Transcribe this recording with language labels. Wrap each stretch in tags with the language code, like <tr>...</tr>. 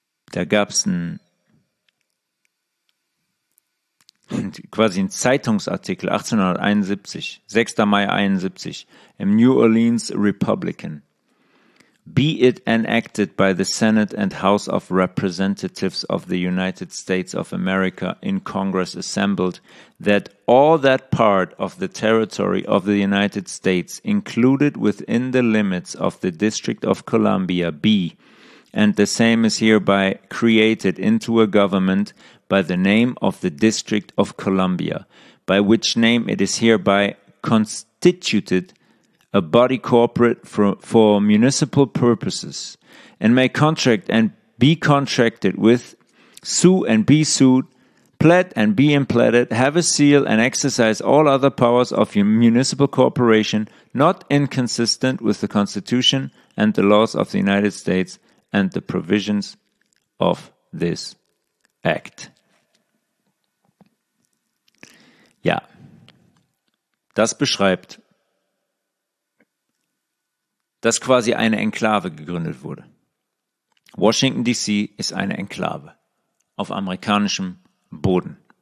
<de>Da gab es quasi ein Zeitungsartikel 1871, 6. Mai 71, im New Orleans Republican.</de> <en>Be it enacted by the Senate and House of Representatives of the United States of America in Congress assembled, that all that part of the territory of the United States included within the limits of the District of Columbia be, and the same is hereby created into a government by the name of the District of Columbia, by which name it is hereby constituted a body corporate for municipal purposes, and may contract and be contracted with, sue and be sued, plead and be impleaded, have a seal and exercise all other powers of your municipal corporation, not inconsistent with the Constitution and the laws of the United States and the provisions of this act.</en> <de>Ja, das beschreibt, dass quasi eine Enklave gegründet wurde. Washington DC ist eine Enklave auf amerikanischem Boden.</de>